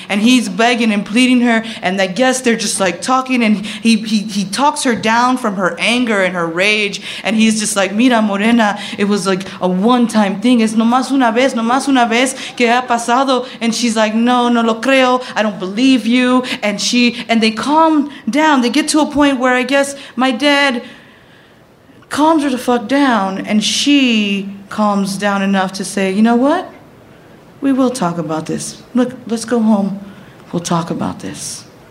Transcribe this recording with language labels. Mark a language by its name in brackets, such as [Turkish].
[English] And he's begging and pleading her, and I guess they're just, like, talking, and he talks her down from her anger and her rage, and he's just like, [Spanish] mira, morena, [English] it was, like, a one-time thing. [Spanish] Es nomás una vez que ha pasado. [English] And she's like, [Spanish] no, no lo creo. [English] I don't believe you. And she, and they calm down. They get to a point where I guess my dad calms her the fuck down, and she calms down enough to say, you know what? We will talk about this. Look, let's go home. We'll talk about this.